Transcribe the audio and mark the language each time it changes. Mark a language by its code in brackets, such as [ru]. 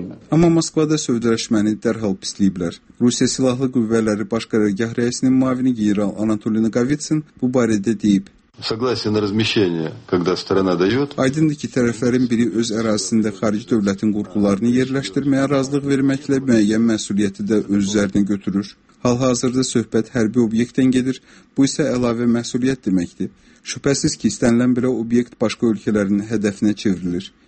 [az] Amma Moskvada sövdələşməni dərhal pisləyiblər. Rusiya Silahlı Qüvvələri Baş Qərargah rəisinin müavini general Anatoli Nagavitsin bu barədə deyib. [ru] Согласие на размещение, когда страна даёт. [az] Aydındır ki, tərəflərin biri öz ərazisində xarici dövlətin qurğularını yerləşdirməyə razılıq verməklə müəyyən məsuliyyəti də öz üzərinə götürür. Hal-hazırda söhbət hərbi obyektdən gedir. Bu isə əlavə məsuliyyət deməkdir. Şübhəsiz ki, istənilən belə obyekt başqa ölkələrin hədəfinə çevrilir.